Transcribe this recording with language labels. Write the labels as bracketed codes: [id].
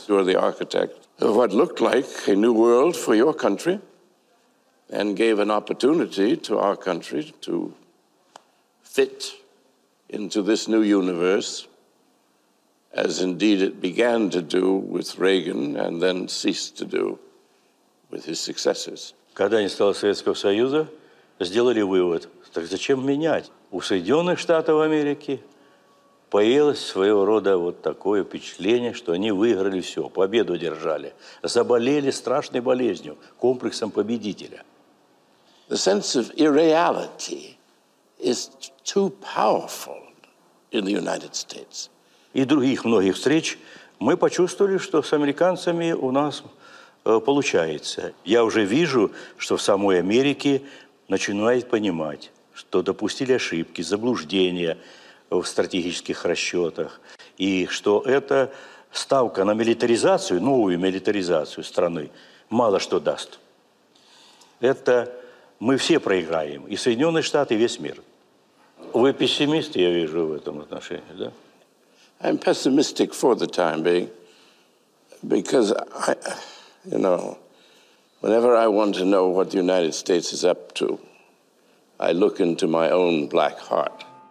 [en] You're the architect of what looked like a new world for your country and gave an opportunity to our country to fit into this new universe, as indeed it began to do with Reagan and then ceased to do with his successors. [ru] Когда не стало Советского Союза, сделали вывод, так зачем менять? У Соединенных Штатов Америки появилось своего рода вот такое впечатление, что они выиграли все, победу держали, заболели страшной болезнью, комплексом победителя. [en] The sense of irreality is too powerful in the United States. [ru] И других многих встреч мы почувствовали, что с американцами у нас получается. Я уже вижу, что в самой Америке начинают понимать, что допустили ошибки, заблуждения в стратегических расчетах, и что эта ставка на милитаризацию, новую милитаризацию страны, мало что даст. Это мы все проиграем, и Соединенные Штаты, и весь мир. Вы пессимист, я вижу, в этом отношении, да? [en] I'm pessimistic for the time being, because, whenever I want to know what the United States is up to, I look into my own black heart.